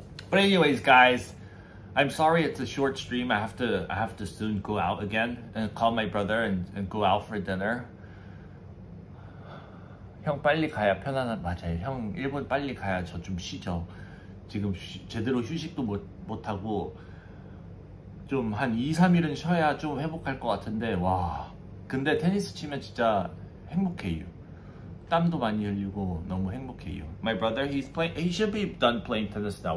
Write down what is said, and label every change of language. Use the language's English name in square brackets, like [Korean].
[English] But anyways, guys, I'm sorry it's a short stream. I have to soon go out again and call my brother and go out for dinner. [Korean] 형 빨리 가야 편안한 맞아요. 형 일본 빨리 가야 저 좀 쉬죠. 지금 제대로 휴식도 못 하고 좀 한 2, 3일은 쉬어야 좀 회복할 것 같은데 와. 근데 테니스 치면 진짜 행복해요. 땀도 많이 흘리고 너무 행복해요. [English] My brother, he should be done playing tennis now.